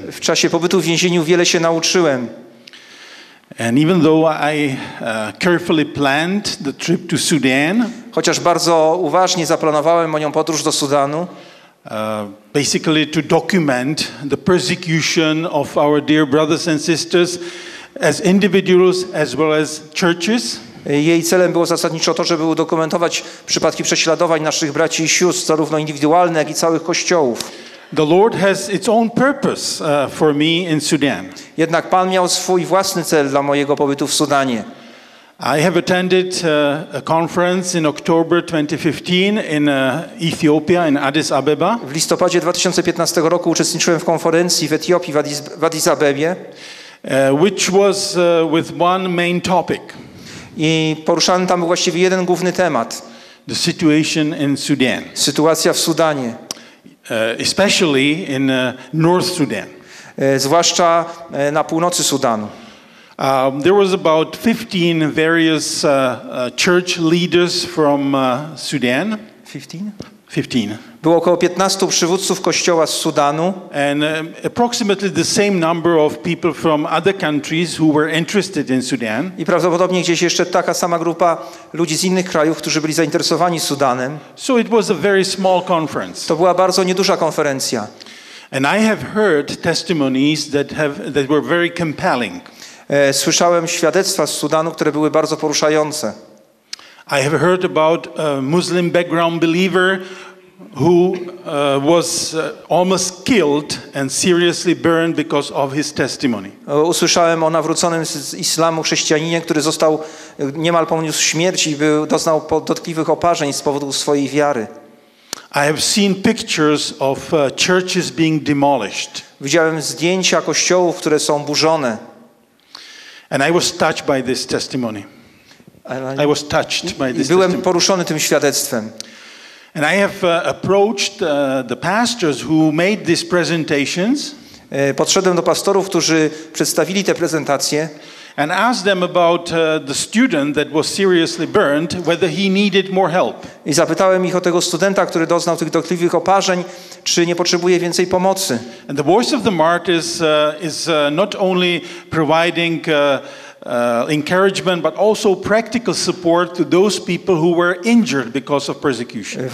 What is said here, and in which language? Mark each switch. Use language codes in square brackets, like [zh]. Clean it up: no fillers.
[pl] W czasie pobytu w więzieniu wiele się nauczyłem. [en] And even though I carefully planned the trip to Sudan, [pl] chociaż bardzo uważnie zaplanowałem moją podróż do Sudanu, [en] basically to document the persecution of our dear brothers and sisters as individuals as well as churches. [pl] Jej celem było zasadniczo to, żeby udokumentować przypadki prześladowań naszych braci i sióstr, zarówno indywidualne, jak i całych kościołów. [en] The Lord has its own purpose for me in Sudan. [pl] Jednak Pan miał swój własny cel dla mojego pobytu w Sudanie. [en] I have attended a conference in October 2015 in Ethiopia, in Addis Abeba. [pl] W listopadzie 2015 roku uczestniczyłem w konferencji w Etiopii, w Addis Abebie, [en] which was with one main topic. [pl] I poruszany tam był właściwie jeden główny temat. [en] The situation in Sudan. [pl] Sytuacja w Sudanie. [en] Especially in North Sudan. [pl] Zwłaszcza na północy Sudanu. [en] There was about 15 various church leaders from Sudan. 15. [pl] Było około 15 przywódców kościoła z Sudanu. [en] And approximately the same number of people from other countries who were interested in Sudan. [pl] I prawdopodobnie gdzieś jeszcze taka sama grupa ludzi z innych krajów, którzy byli zainteresowani Sudanem. [en] So it was a very small conference. [pl] To była bardzo nieduża konferencja. [en] And I have heard testimonies that were very compelling. [pl] Słyszałem świadectwa z Sudanu, które były bardzo poruszające. [en] I have heard about a Muslim background believer who was almost killed and seriously burned because of his testimony. [pl] Usłyszałem o nawróconym z islamu chrześcijaninie, który został niemal poniósł śmierć i doznał dotkliwych oparzeń z powodu swojej wiary. [en] I have seen pictures of churches being demolished. [pl] Widziałem zdjęcia kościołów, które są burzone. [en] And I was touched by this testimony. I was touched by this [pl] byłem [en] testimony. [pl] Byłem poruszony tym świadectwem. [en] And I have approached the pastors who made these presentations. [pl] Podszedłem do pastorów, którzy przedstawili te prezentacje. [en] And asked them about the student that was seriously burned, whether he needed more help. [pl] I zapytałem ich o tego studenta, który doznał tych dotkliwych oparzeń, czy nie potrzebuje więcej pomocy. [en] And the voice of the martyrs is not only providing encouragement, but also practical support to those people who were injured because of persecution.